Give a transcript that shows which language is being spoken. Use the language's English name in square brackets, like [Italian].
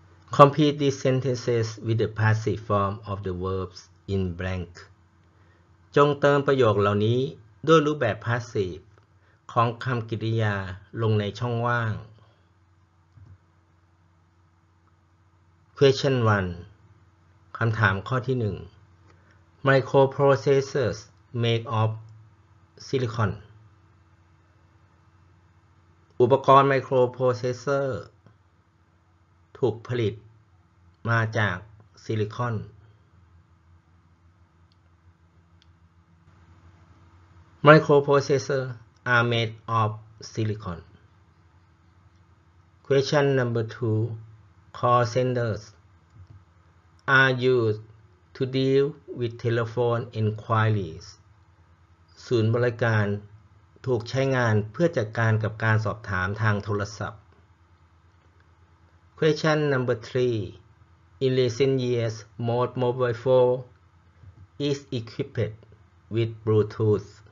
[English] Complete these sentences with the passive form of the verbs in blank. [Thai] จงเติมประโยคเหล่านี้ด้วยรูปแบบ passive ของคำกริยาลงในช่องว่าง [English] Question 1. [Thai] คำถามข้อที่1. [English] Microprocessors made of silicon. [Thai] อุปกรณ์ไมโครโปรเซสเซอร์ถูกผลิตมาจากซิลิคอน [English] Microprocessor are made of silicon. Question number 2. Call centers are used to deal with telephone inquiries. [Thai] ศูนย์บริการถูกใช้งานเพื่อจัดการกับการสอบถามทางโทรศัพท์ [English] Question number 3 In recent years, most mobile phone is equipped with Bluetooth.